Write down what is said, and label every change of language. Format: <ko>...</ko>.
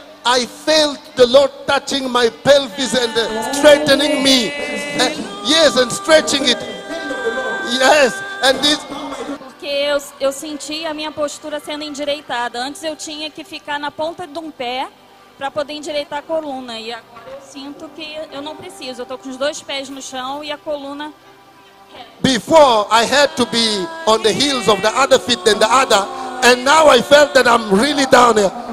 <en>I felt the Lord touching my pelvis and straightening me. Yes, and stretching it. Yes, and this.</en> <pt>Porque porque eu senti a minha postura sendo endireitada. Antes eu tinha que ficar na ponta de um pé para poder endireitar a coluna. E agora eu sinto que eu não preciso. Eu estou com os dois pés no chão e a coluna...</pt> <en>Before, I had to be on the heels of the other feet than the other. And now I felt that I'm really down here.</en>